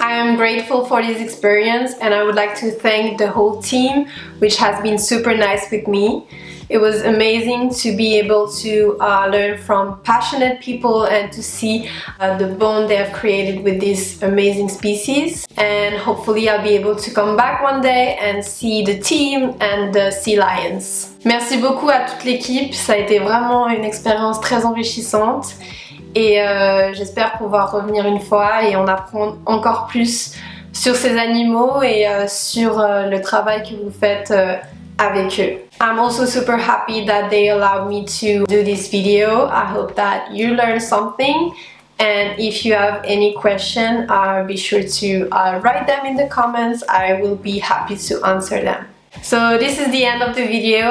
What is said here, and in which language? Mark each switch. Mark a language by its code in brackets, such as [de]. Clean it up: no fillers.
[en] I am grateful for this experience, and I would like to thank the whole team, which has been super nice with me. It was amazing to be able to learn from passionate people and to see the bond they have created with this amazing species. And hopefully I'll be able to come back one day and see the team and the sea lions. [fr] Merci beaucoup à toute l'équipe. Ça a été vraiment une expérience très enrichissante. Et j'espère pouvoir revenir une fois et en apprendre encore plus sur ces animaux et sur le travail que vous faites avec eux. [en] I'm also super happy that they allowed me to do this video. I hope that you learned something. And if you have any questions, be sure to write them in the comments. I will be happy to answer them. So this is the end of the video.